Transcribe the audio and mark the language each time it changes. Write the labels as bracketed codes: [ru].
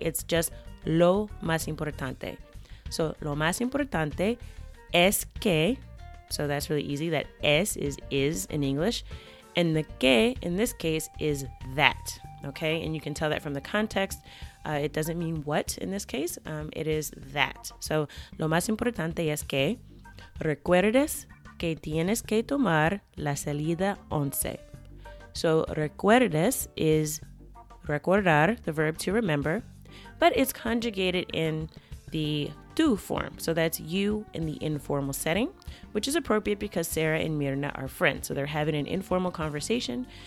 [en] It's just [es] lo más importante. [en] So [es] lo más importante es que. [en] So that's really easy. That es is in English. And the que, in this case, is that. Okay, and you can tell that from the context. It doesn't mean what in this case. It is that. [es] So, lo más importante es que recuerdes que tienes que tomar la salida 11. [en] So, recuerdes is recordar, the verb to remember, but it's conjugated in the tú form. So, that's you in the informal setting, which is appropriate because Sarah and Mirna are friends. So, they're having an informal conversation.